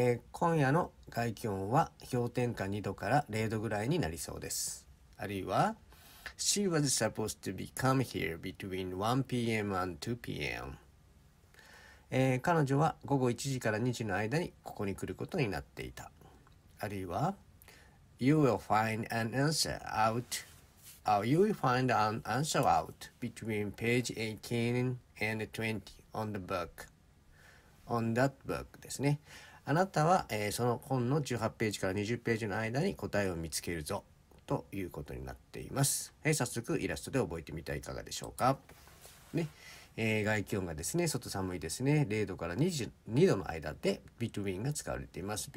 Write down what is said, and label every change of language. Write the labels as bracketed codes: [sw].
[ja] 今夜の外気温は氷点下2度から0度ぐらいになりそうです。あるいは、 [en] She was supposed to be come here between 1 p.m. and 2 p.m.、 [ja] 彼女は午後1時から2時の間にここに来ることになっていた。あるいは、 [en] You will find an answer out, you will find an answer out between page 18 and 20 on the book, on that book [ja] ですね。あなたは、その本の18ページから20ページの間に答えを見つけるぞ。ということになっています。早速イラストで覚えてみてはいかがでしょうか。ね、外気温がですね、外寒いですね、0度から22度の間で between が使われています。